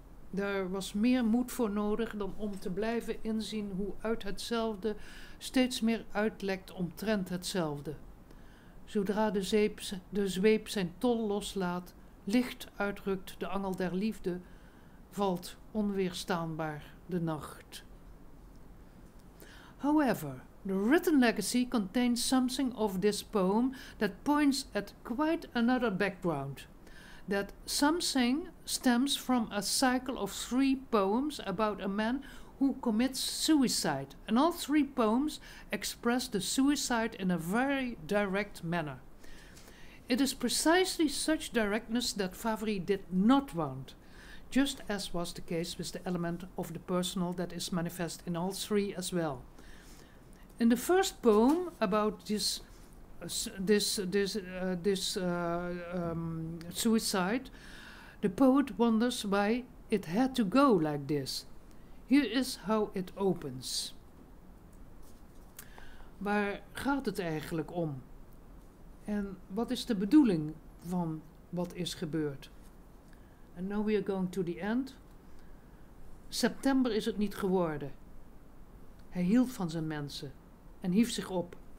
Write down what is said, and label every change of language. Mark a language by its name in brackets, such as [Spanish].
[Dutch] Daar was meer moed voor nodig dan om te blijven inzien hoe uit hetzelfde steeds meer uitlekt omtrent hetzelfde. Zodra de zweep zijn tol loslaat, licht uitrukt de angel der liefde, valt onweerstaanbaar de nacht. [English] However, the written legacy contains something of this poem that points at quite another background. That something stems from a cycle of 3 poems about a man who commits suicide, and all three poems express the suicide in a very direct manner. It is precisely such directness that Favry did not want, just as was the case with the element of the personal that is manifest in all three as well. In the first poem about suicide, the poet wonders why it had to go like this. Here is how it opens. [Dutch] Waar gaat het eigenlijk om? En wat is de bedoeling van wat is gebeurd? [English] And now we are going to the end. [Dutch] September is het niet geworden. Hij hield van zijn mensen en hief zich op.